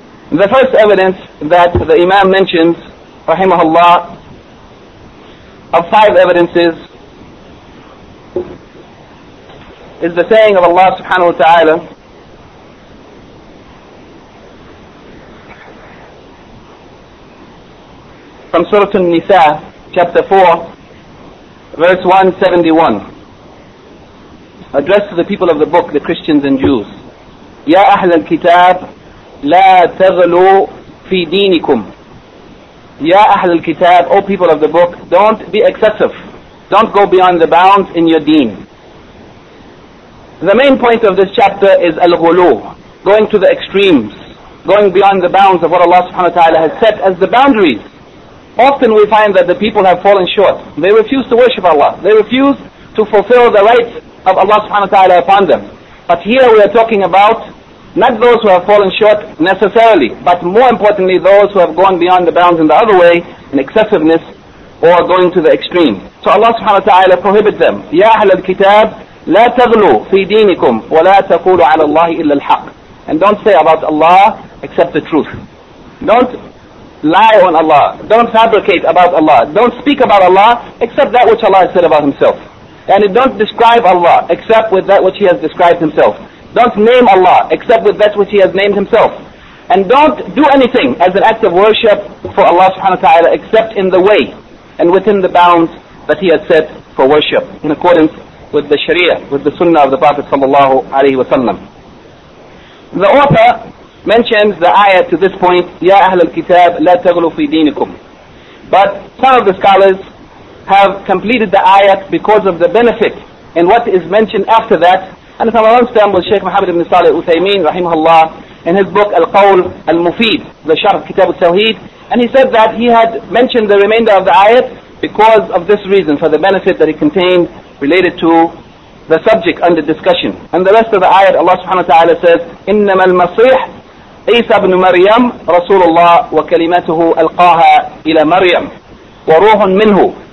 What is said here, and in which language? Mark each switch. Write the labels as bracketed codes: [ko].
[en] The first evidence that the Imam mentions, rahimahullah, of five evidences, is the saying of Allah subhanahu wa ta'ala, from Surah An-Nisa, chapter 4, verse 171, addressed to the people of the book, the Christians and Jews. [ar] Ya أهل الكتاب لا تغلوا في دينكم. Ya أهل الكتاب, [en] O people of the book, don't be excessive. Don't go beyond the bounds in your deen. The main point of this chapter is al-ghulu, going to the extremes, going beyond the bounds of what Allah subhanahu wa ta'ala has set as the boundaries. Often we find that the people have fallen short. They refuse to worship Allah. They refuse to fulfill the rights of Allah subhanahu wa ta'ala upon them. But here we are talking about not those who have fallen short necessarily, but more importantly those who have gone beyond the bounds in the other way, in excessiveness or going to the extreme. So Allah subhanahu wa ta'ala prohibits them. [ar] Ya أهل الكتاب لا تغلوا في دينكم ولا تقولوا على الله إلا الحق. [en] And don't say about Allah except the truth. Don't lie on Allah. Don't fabricate about Allah. Don't speak about Allah except that which Allah has said about Himself. And don't describe Allah except with that which He has described Himself. Don't name Allah except with that which He has named Himself. And don't do anything as an act of worship for Allah subhanahu wa ta'ala except in the way and within the bounds that he had set for worship in accordance with the Sharia, with the Sunnah of the Prophet sallallahu alayhi wa sallam. The author mentions the ayah to this point, [ar] Ya Ahl al-Kitab, la taghlu fi dinikum. [en] But some of the scholars have completed the ayah because of the benefit and what is mentioned after that. And from our understanding, Shaykh Muhammad ibn Saleh Uthaymeen, rahimahullah, in his book Al-Qawl al-Mufid, the Sharh Kitab al-Tawheed, and he said that he had mentioned the remainder of the ayat because of this reason, for the benefit that it contained related to the subject under discussion. And the rest of the ayat, Allah subhanahu wa ta'ala says, [ar] إِنَّمَا الْمَصِيحِ عِيسَى بْنُ مَرْيَمْ رَسُولُ اللَّهِ وَكَلِمَتُهُ أَلْقَاهَا إِلَى مَرْيَمْ وَرُوحٌ مِنْهُ.